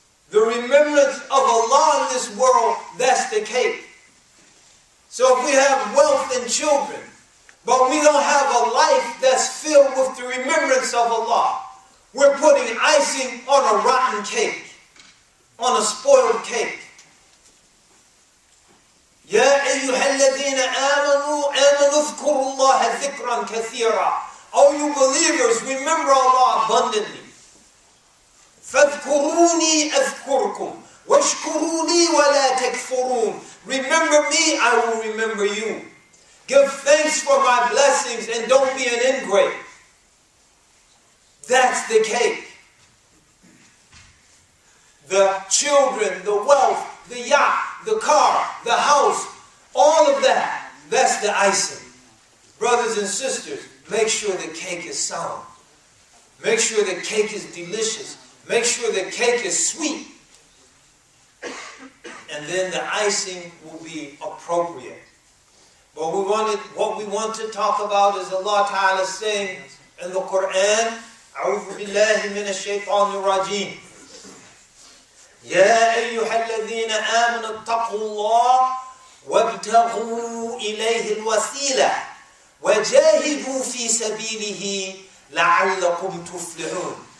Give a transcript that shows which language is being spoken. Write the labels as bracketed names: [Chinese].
[English] The remembrance of Allah in this world, that's the cake. So if we have wealth and children, but we don't have a life that's filled with the remembrance of Allah, we're putting icing on a rotten cake, on a spoiled cake. [Arabic] يا أيها الذين آمنوا آمنوا اذكروا الله ذكرا كثيرا. [English] Oh, you believers, remember Allah abundantly. [Arabic] فاذكروني أذكركم واشكروني ولا تكفرون. [English] Remember me, I will remember you. Give thanks for my blessings and don't be an ingrate. That's the cake. The children, the wealth, the yacht, the car, the house, all of that, that's the icing. Brothers and sisters, make sure the cake is sound. Make sure the cake is delicious. Make sure the cake is sweet. And then the icing will be appropriate. But what we want to talk about is Allah Ta'ala saying in the Quran, [Arabic] أعوذ بالله من الشيطان الرجيم. يا أيها الذين آمنوا اتقوا الله وابتغوا إليه الوسيلة وجاهدوا في سبيله لعلكم تفلحون.